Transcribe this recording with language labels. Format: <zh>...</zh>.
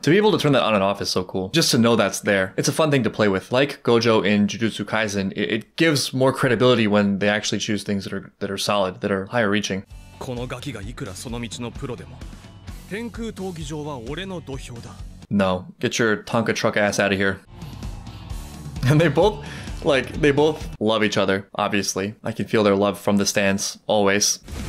<en>To be able to turn that on and off is so cool. Just to know that's there. It's a fun thing to play with. Like Gojo in Jujutsu Kaisen, it gives more credibility when they actually choose things that are solid, that are higher reaching.</en> <ja>このガキがいくらその道のプロでも、天空闘技場は俺の土俵だ。</ja> <en>No, get your Tonka truck ass out of here. And they both, like, they both love each other, obviously. I can feel their love from the stands, always.</en>